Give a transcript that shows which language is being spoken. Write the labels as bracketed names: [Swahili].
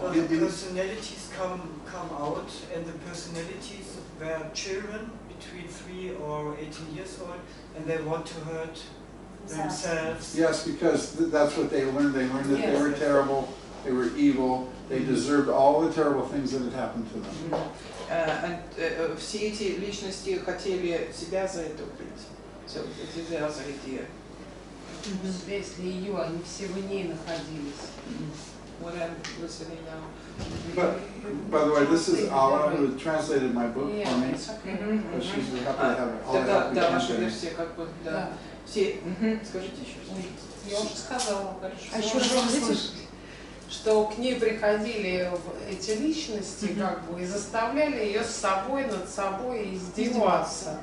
[English] But the personalities come out, and the personalities were children between 3 or 18 years old, and they want to hurt themselves. Yes, because that's what they learned. They learned that they were terrible, they were evil, they deserved all the terrible things that had happened to them. [Russian] Все эти личности хотели себя затопить. [English] So, this is the other idea. [Russian] Если ее, они все в ней находились. [English] What I'm listening now. But, by the way, this is Alla who translated my book for me. Yeah, it's okay. Mm-hmm. But she's happy to have it. [Russian] Ваша версия, скажите еще. Я уже сказала, хорошо. А еще слышите, что к ней приходили эти личности, как бы, и заставляли ее с собой, над собой издеваться.